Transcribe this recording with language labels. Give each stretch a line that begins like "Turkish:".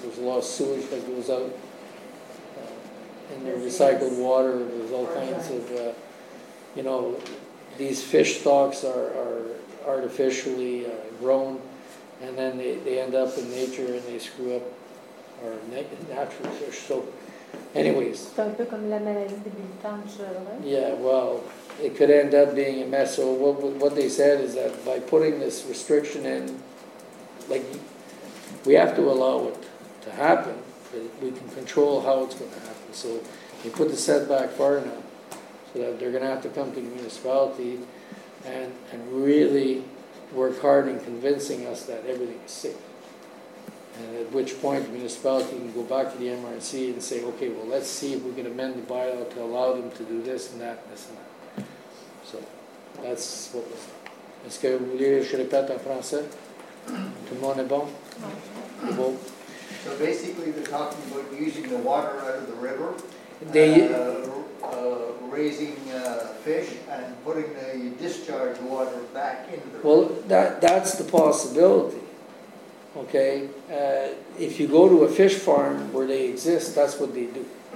English: There's a lot of sewage that goes out, and there's recycled water. There's all kinds of, these fish stocks are artificially grown, and then they end up in nature and they screw up our natural fish. So, anyways.
French: C'est un peu comme la maladie débilitante, je dirais.
English: Yeah, well, it could end up being a mess. So what they said is that by putting this restriction in, like, we have to allow it to happen, but we can control how it's going to happen. So they put the setback far enough so that they're going to have to come to the municipality and really work hard in convincing us that everything is safe. And at which point the municipality can go back to the MRC and say, okay, well, let's see if we can amend the bylaw to allow them to do this and that, this and that. So that's what was done.
French: Est-ce que vous voulez que je répète en français? Tout le monde est bon? Oui. Bon.
English: So basically they're talking about using the water out of the river, raising fish and putting the discharge water back into the river. Well, that's the possibility. Okay, if you go to a fish farm where they exist, that's what they do.